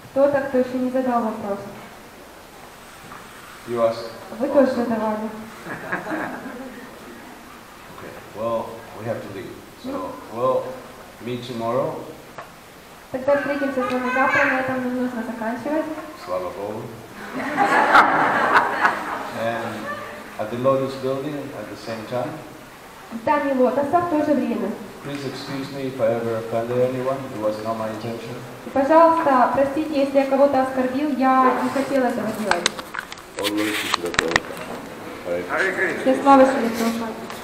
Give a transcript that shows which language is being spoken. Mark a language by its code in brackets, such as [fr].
[ru] Кто-то, кто еще не задал вопрос. [en] You ask. [ru] Вы тоже задавали. [en] Okay. Well, we have to leave. So, we'll meet tomorrow. [ru] Тогда встретимся с вами завтра, на этом не нужно заканчивать. Слава Богу. [en] And at the Lotus Building at the same time. [ru] В здании Лотоса в то же время. [en] Please excuse me if I ever offended anyone. It was not my intention. [ru] Пожалуйста, простите, если я кого-то оскорбил, я не хотел этого делать. [en] Always be Hare Krishna. [ru] Все славы Шри Прабхупаде.